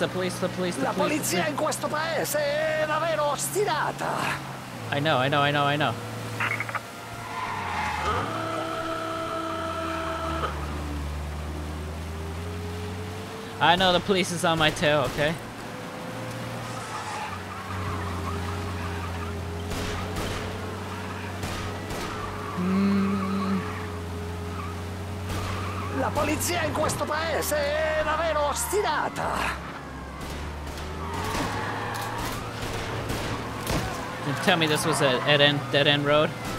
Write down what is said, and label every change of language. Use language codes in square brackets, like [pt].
[it] La polizia in questo paese è davvero ostinata. [en] I know. I know the police is on my tail, okay? [it] La polizia in questo paese è davvero ostinata. [en] Don't tell me this was a dead end road.